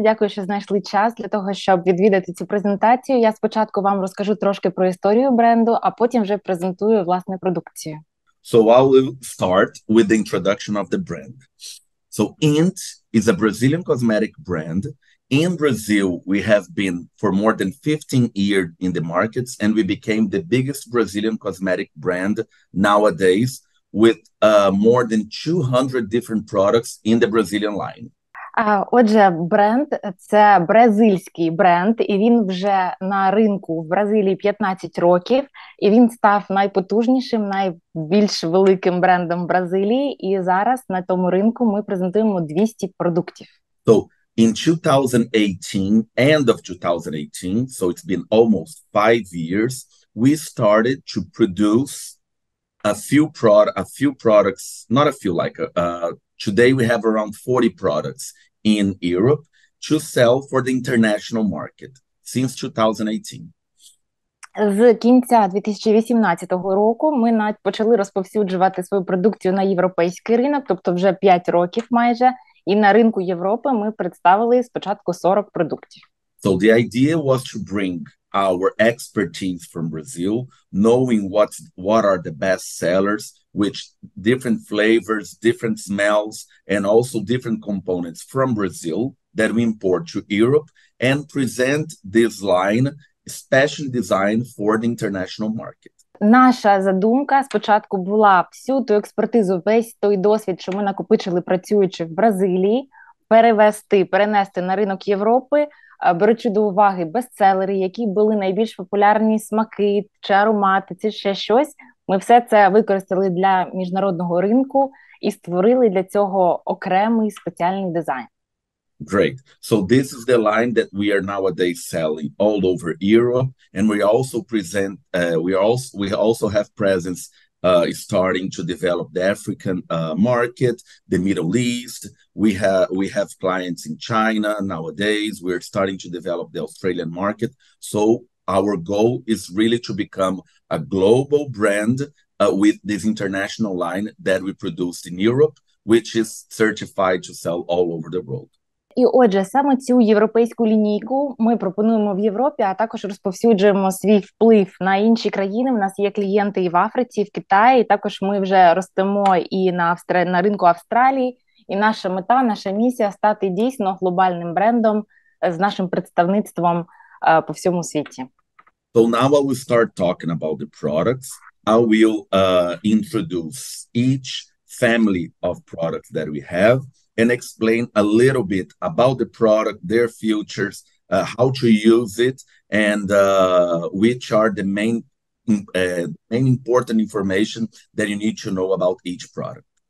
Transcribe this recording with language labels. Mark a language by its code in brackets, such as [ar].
[uk] Дякую, що знайшли час для того, щоб відвідати цю презентацію. Я спочатку вам розкажу трошки про історію бренду, а потім вже презентую власне продукцію. [en] So I will start with the introduction of the brand. So Int is a Brazilian cosmetic brand. In Brazil, we have been for more than 15 years in the markets, and we became the biggest Brazilian cosmetic brand nowadays with more than 200 different products in the Brazilian line. [uk] Отже, бренд – це бразильський бренд, і він вже на ринку в Бразилії 15 років, і він став найпотужнішим, найбільш великим брендом Бразилії, і зараз на тому ринку ми презентуємо 200 продуктів. [en] So, in 2018, end of 2018, so it's been almost 5 years, we started to produce a few products, not a few, like today we have around 40 products in Europe to sell for the international market since 2018. [uk] З кінця 2018 року ми навіть почали розповсюджувати свою продукцію на європейський ринок, тобто вже 5 років майже, і на ринку Європи ми представили спочатку 40 продуктів. [en] So the idea was to bring our expertise from Brazil, knowing what are the best sellers, which different flavors, different smells, and also different components from Brazil that we import to Europe and present this line, especially designed for the international market. [uk] Наша задумка спочатку була всю ту експертизу, весь той досвід, що ми накопичили, працюючи в Бразилії, перенести на ринок Європи, беручи до уваги бестселери, які були найбільш популярні, смаки чи аромати, чи ще щось. Ми все це використали для міжнародного ринку і створили для цього окремий спеціальний дизайн. [en] Great. So this is the line that we are nowadays selling all over Europe, and we also present we also have presence starting to develop the African market, the Middle East. We have clients in China nowadays. We're starting to develop the Australian market. So our goal is really to become a global brand with this international line that we produced in Europe, which is certified to sell all over the world. [uk] І отже, саме цю європейську лінійку ми пропонуємо в Європі, а також розповсюджуємо свій вплив на інші країни. У нас є клієнти і в Африці, і в Китаї, і також ми вже ростемо і на ринку Австралії. І наша мета, наша місія – стати дійсно глобальним брендом з нашим представництвом по всьому світі. [en] So now I will start talking about the products. I will introduce each family of products that we have and explain a little bit about the product, their features, how to use it, and which are the main important information that you need to know about each product.